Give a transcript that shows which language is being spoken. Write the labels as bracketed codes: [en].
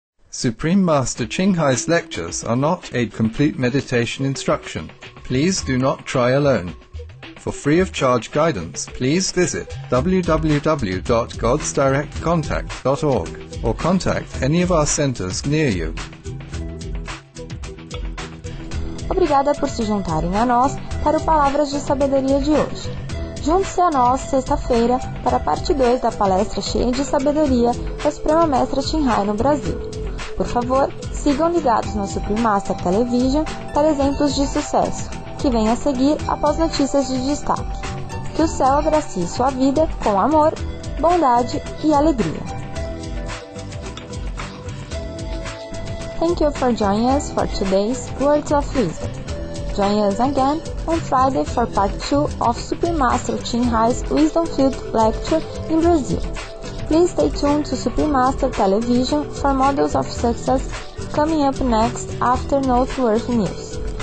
[en] Supreme Master Qinghai's lectures are not a complete meditation instruction. Please do not try alone. For free of charge guidance, please visit www.godsdirectcontact.org or contact any of our centers near you. [pt] Obrigada por se juntarem a nós para o Palavras de Sabedoria de hoje. Junte-se a nós sexta-feira para a parte 2 da palestra cheia de sabedoria da Suprema Mestra Qinghai no Brasil. Por favor, sigam ligados no Supreme Master Television para exemplos de sucesso, que vem a seguir após notícias de destaque. Que o céu abracie sua vida com amor, bondade e alegria. [en] Thank you for joining us for today's Words of Wisdom. Join us again on Friday for Part 2 of Supreme Master Qinghai's Wisdom Field Lecture in Brazil. Please stay tuned to Supreme Master Television for Models of Success coming up next after Noteworthy News.